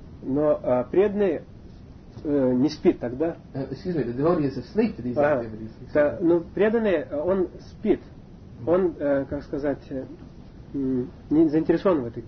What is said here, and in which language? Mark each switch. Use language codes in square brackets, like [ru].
[ru] Но преданный не спит тогда. [en] Excuse me, the devotee is asleep to these activities. [ru] Но преданный, он спит. Он, как сказать, не заинтересован в этих